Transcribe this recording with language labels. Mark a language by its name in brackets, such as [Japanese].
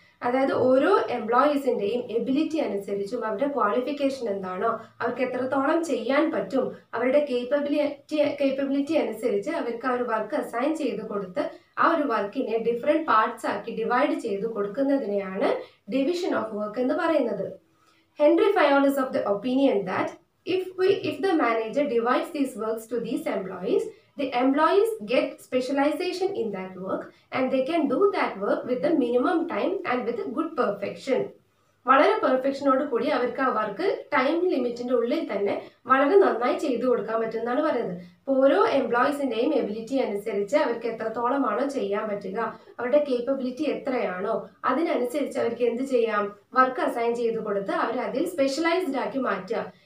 [Malayalam] അതായത് ഓരോ എംപ്ലോയീസിൻ്റെയും എബിലിറ്റി അനുസരിച്ചും അവരുടെ ക്വാളിഫിക്കേഷൻ എന്താണോ, അവർക്ക് എത്രത്തോളം ചെയ്യാൻ പറ്റും, അവരുടെ കേപ്പബിലിറ്റി അനുസരിച്ച് അവർക്ക് ആ ഒരു വർക്ക് അസൈൻ ചെയ്ത് കൊടുത്ത് ആ ഒരു വർക്കിനെ ഡിഫറെൻറ്റ് പാർട്സ് ആക്കി ഡിവൈഡ് ചെയ്ത് കൊടുക്കുന്നതിനെയാണ് ഡിവിഷൻ ഓഫ് വർക്ക് എന്ന് പറയുന്നത്. [English] Henri Fayol is of the opinion that if the manager divides these works to these employees The employees get specialization in that work and they can do that work with the minimum time and with a good perfection. [Malayalam] വളരെ പെർഫെക്ഷനോട് കൂടി അവർക്ക് ആ work time ലിമിറ്റിൻ്റെ ഉള്ളിൽ തന്നെ വളരെ നന്നായി ചെയ്തു കൊടുക്കാൻ പറ്റുമെന്നാണ് പറയുന്നത്. ഇപ്പോൾ ഓരോ എംപ്ലോയീസിൻ്റെയും എബിലിറ്റി അനുസരിച്ച് അവർക്ക് എത്രത്തോളമാണോ ചെയ്യാൻ പറ്റുക, അവരുടെ കേപ്പബിലിറ്റി എത്രയാണോ, അതിനനുസരിച്ച് അവർക്ക് എന്ത് ചെയ്യാം, വർക്ക് അസൈൻ ചെയ്ത് കൊടുത്ത് അവരെ അതിൽ സ്പെഷ്യലൈസ്ഡ് ആക്കി മാറ്റുക.